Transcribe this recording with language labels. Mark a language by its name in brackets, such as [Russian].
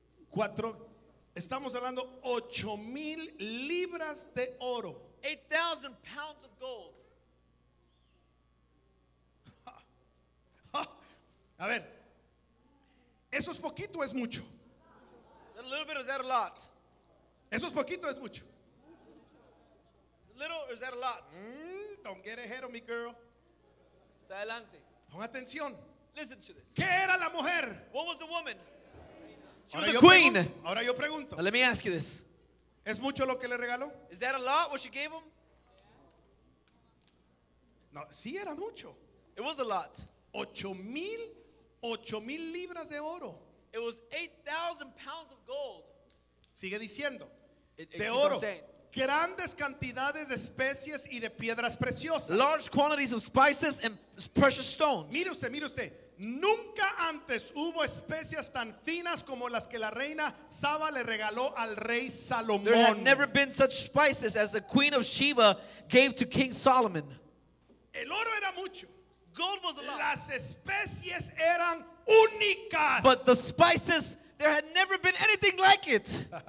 [Spanish] 4. Estamos hablando 8,000 libras de oro. [English] 8,000 pounds of gold. [Spanish] A ver, ¿eso es poquito o es mucho? [English] Is that a little bit or is that a lot? [Spanish] ¿Eso es poquito o es mucho? [English] Is it little or is that a lot? Don't get ahead of me, girl. [Spanish] Adelante. Pon atención. [English] Listen to this. [Spanish] ¿Qué era la mujer? [English] What was the woman? She was a queen. [Spanish] Ahora yo pregunto. [English] Now let me ask you this. [Spanish] ¿Es mucho lo que le regaló? [English] Is that a lot what she gave him? [Spanish] No, sí era mucho. [English] It was a lot. [Spanish] 8,000 libras de oro. [English] It was 8,000 pounds of gold. [Spanish] Sigue diciendo. De oro. Grandes cantidades de especies y de piedras preciosas. [English] Large quantities of spices and precious stones. [Spanish] Mire usted, mire usted. Nunca antes hubo especias tan finas como las que la reina Saba le regaló al rey Salomón. [English] There had never been such spices as the queen of Sheba gave to King Solomon. [Spanish] El oro era mucho. [English] Gold was a lot. [Spanish] Las especies eran únicas. [English] But the spices, there had never been anything like it.